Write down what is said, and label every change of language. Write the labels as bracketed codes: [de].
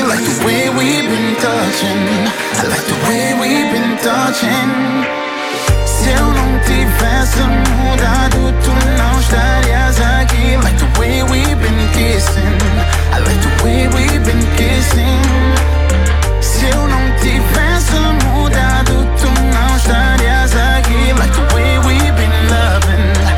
[en] I like the way we've been touching. I like the way we've been touching. [pt] Se eu não tivesse mudado, tu não estarias aqui. [en] I like the way we've been kissing. I like the way we've been kissing. [pt] Se eu não tivesse mudado, tu não estarias aqui. [en] I like the way we've been loving.